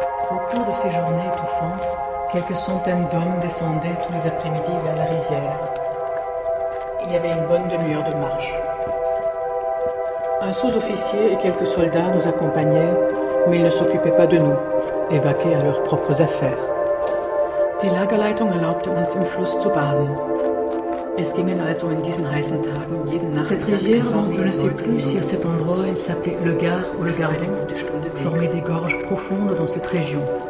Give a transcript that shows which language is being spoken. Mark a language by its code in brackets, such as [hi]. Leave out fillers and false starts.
[fr] Au cours de ces journées étouffantes, quelques centaines d'hommes descendaient tous les après-midi vers la rivière. Il y avait une bonne demi-heure de marche. Un sous-officier et quelques soldats nous accompagnaient, mais ils ne s'occupaient pas de nous, évaqués à leurs propres affaires. [de] Die Lagerleitung erlaubte uns im Fluss zu baden. [fr] Cette rivière, dont je ne sais plus si à cet endroit elle s'appelait le Gard ou le Gardon, formait des gorges profondes dans cette région.